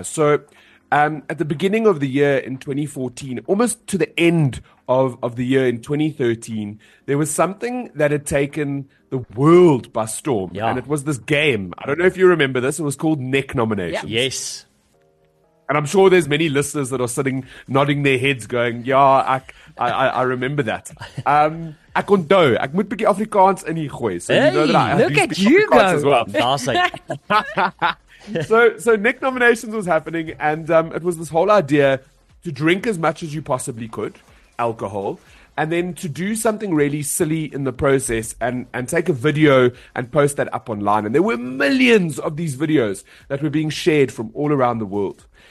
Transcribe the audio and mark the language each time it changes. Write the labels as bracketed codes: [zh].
[en] So at the beginning of the year in 2014, almost to the end of the year in 2013, there was something that had taken the world by storm. Yeah. And it was this game. I don't know if you remember this. It was called Neck Nominations. Yeah. Yes. And I'm sure there's many listeners that are sitting, nodding their heads going, yeah, I remember that. [af] Ek onthou, ek moet bietjie Afrikaans in hier gooi. [en] So hey, you know that look at you Afrikaans go. That's like... So Nick Nominations was happening, and it was this whole idea to drink as much as you possibly could, alcohol, and then to do something really silly in the process and take a video and post that up online. And there were millions of these videos that were being shared from all around the world.